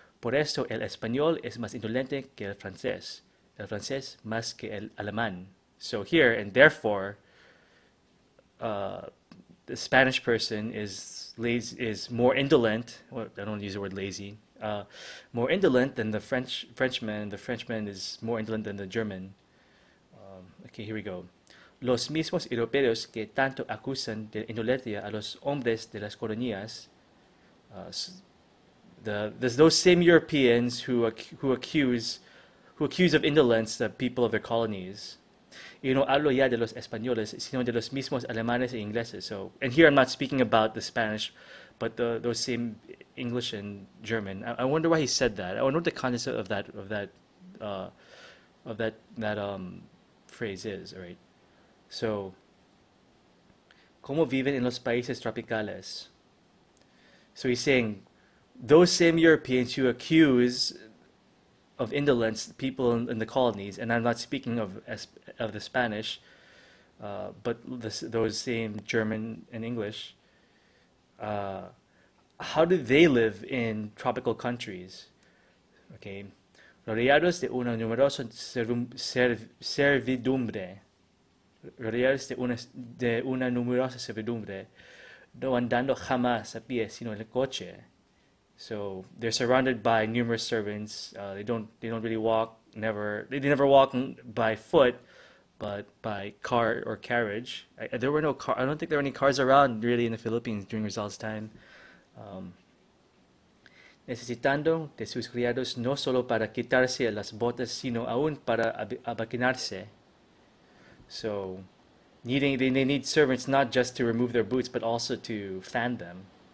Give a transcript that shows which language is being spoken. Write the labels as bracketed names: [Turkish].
[Spanish] Por esto el español es más indolente que el francés más que el alemán. [English] So here, and therefore, the Spanish person is more indolent. Well, I don't want to use the word lazy. More indolent than the Frenchman. The Frenchman is more indolent than the German. Okay, here we go. [Spanish] Los mismos europeos que tanto acusan de indolencia a los hombres de las colonias, [English] there's those same Europeans who accuse of indolence the people of their colonies. [Spanish] Y no hablo ya de los españoles, sino de los mismos alemanes e ingleses. [English] So, and here I'm not speaking about the Spanish, but those same English and German. I wonder why he said that. I wonder what the context of that phrase is, right? [Spanish] So, ¿cómo viven en los países tropicales? [English] So he's saying those same Europeans who accuse of indolence people in the colonies, and I'm not speaking of the Spanish, but those same German and English, how do they live in tropical countries? [Spanish] Okay. Rodeados de una numerosa servidumbre. Rodeados de una numerosa servidumbre, no andando jamás a pie, sino en el coche. [English] So they're surrounded by numerous servants. They don't really walk. Never they never walk by foot, but by car or carriage. There were no car. I don't think there were any cars around really in the Philippines during Rizal's time. [Spanish] Necesitando de sus criados no solo para quitarse las botas, sino aún para abaquinarse. [English] So, needing they need servants not just to remove their boots but also to fan them.